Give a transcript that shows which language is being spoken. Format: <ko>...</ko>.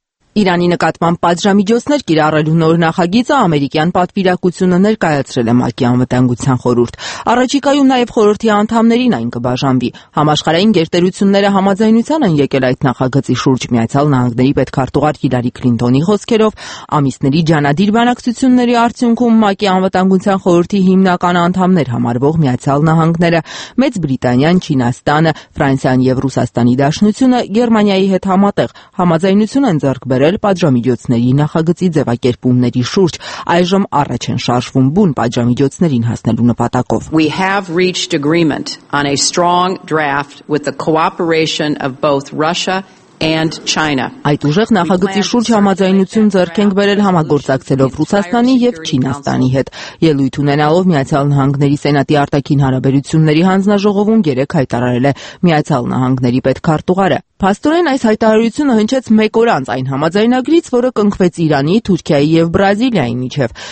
<hy>Իրանի նկատմամբ պատժամիջոցներ կիրառելու նոր նախագիծը ամերիկյան պատվիրակությունը ներկայացրել է ՄԱԿ-ի անվտանգության խորհուրդ։ Առաջիկայում նաև խորհրդի անդամներին այն կբաժանվի։ Համաշխարհային գերտերությունները համաձայնության են եկել այդ նախագծի շուրջ Միացյալ Նահանգների պետքարտուղար Հիլարի Քլինտոնի խոսքերով։ Ամիսների ջանադիր բանակցությունների արդյունքում ՄԱԿ-ի անվտանգության խորհրդի հիմնական անդամներ համարվող Միացյալ Նահանգները, Մեծ Բրիտանիան, Չինաստանը, Ֆրանսիան և Ռուսաստանի Դաշնությունը Գերմանիայի հետ համատեղ համաձայնություն են ձեռք բերել պատժամիջոցների նախագծի ձևակերպումների շուրջ, այժմ առաջ են շարժվում բուն պատժամիջոցներին հասնելու նպատակով.</hy> <en>We have reached agreement on a strong draft with the cooperation of both Russia and China.</en> <hy>Այդ ուժեղ նախագծի շուրջ համաձայնություն ձեռք ենք բերել համագործակցելով Ռուսաստանի և Չինաստանի հետ, ելույթ ունենալով Միացյալ Նահանգների Սենատի Արտաքին Հարաբերությունների Հանձնաժողովում 3 հայտարարել է Միացյալ Նահանգների պետքարտուղարը։ Փաստորեն այս հայտարարությունը հնչեց 1 օր անց այն համաձայնագրից, որը կնքվեց Իրանի, Թուրքիայի և Բրազիլիայի միջև,</hy>